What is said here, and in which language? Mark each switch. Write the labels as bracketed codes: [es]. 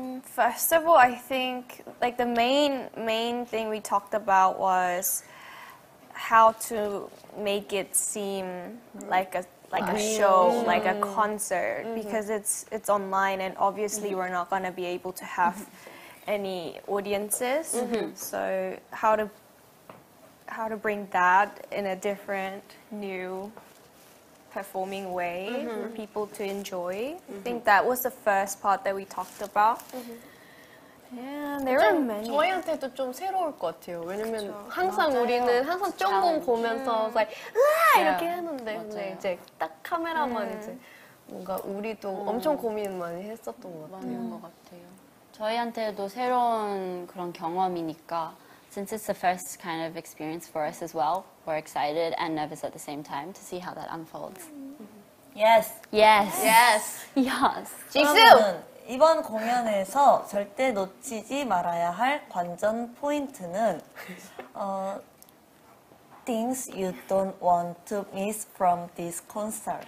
[en] First of all, I think like the main thing we talked about was how to make it seem like a show, like a concert, because it's online and obviously we're not going to be able to have any audiences. So how to bring that in a different, new performing way for people to enjoy. I think that was the first part that we talked about. Yeah, there are many. [ko] 저희한테도 좀 새로울 것 같아요. 왜냐면 항상 맞아요. 우리는 항상 점검 보면서 이렇게 하는데 근데 이제 딱 카메라만 이제 뭔가 우리도 엄청 고민 많이 했었던 것 같아요. 저희한테도 새로운 그런 경험이니까 [en] since it's the first kind of experience for us as well, we're excited and nervous at the same time to see how that unfolds. Yes. Yes. Yes. Yes. Jisoo. [ko] 이번 공연에서 절대 놓치지 말아야 할 관전 포인트는 [en] things you don't want to miss from this concert.